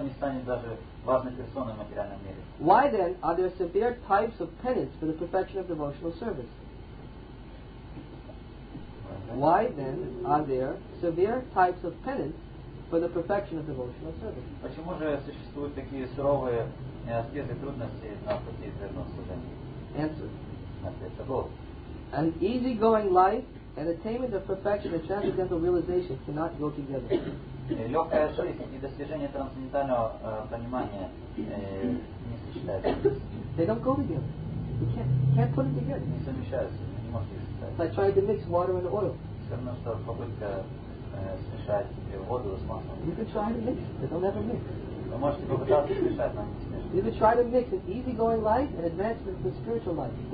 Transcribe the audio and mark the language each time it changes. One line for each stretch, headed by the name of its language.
English: Why then are there severe types of penance for the perfection of devotional service? Why then are there severe types of penance for the perfection of devotional service?
Russian: Почему же существуют такие суровые аскезы трудности на пути преданного служения?
English: Answer. An easygoing life and attainment of perfection and transcendental realization cannot go together.
Russian: Легкая жизнь и достижение трансцендентального понимания не сочетаются.
English: They don't go together. You can't put it together.
Russian: Не совмещаются. Не можете их сочетать.
English: It's like trying to mix water and oil.
Russian: Все равно, что попытка смешать воду с маслом.
English: You can try to mix it. It'll never mix.
Russian: Вы можете попытаться смешать, но не смешать.
English: You can try to mix an easygoing life and advancement to spiritual life.